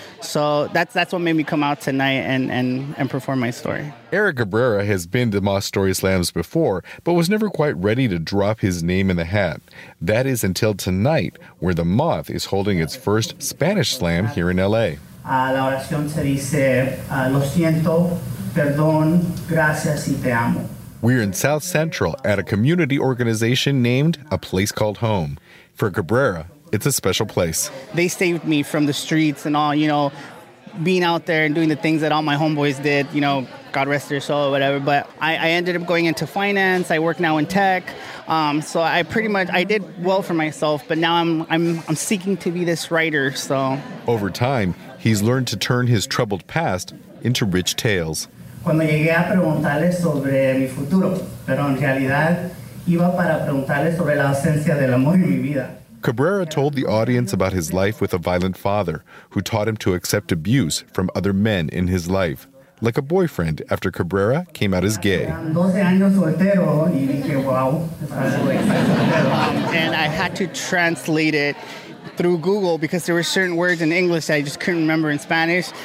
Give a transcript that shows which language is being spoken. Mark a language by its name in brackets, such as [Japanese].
[English] So that's what made me come out tonight and perform my story. Eric Cabrera has been to Moth Story Slams before, but was never quite ready to drop his name in the hat. That is until tonight, where the Moth is holding its first Spanish slam here in L.A. [Spanish] La oración se dice, lo siento, perdón, gracias y te amo. [English] We're in South Central at a community organization named A Place Called Home. For Cabrera, it's a special place. They saved me from the streets and all, you know, being out there and doing the things that all my homeboys did, you know, God rest their soul or whatever. But I ended up going into finance. I work now in tech. So I pretty much, I did well for myself, but now I'm seeking to be this writer, so. Over time, he's learned to turn his troubled past into rich tales. [Spanish] Cuando llegué a preguntarles sobre mi futuro, pero en realidad iba para preguntarles sobre la ausencia del amor en mi vida. [English] Cabrera told the audience about his life with a violent father who taught him to accept abuse from other men in his life, like a boyfriend after Cabrera came out as gay. And I had to translate it through Google because there were certain words in English that I just couldn't remember in Spanish.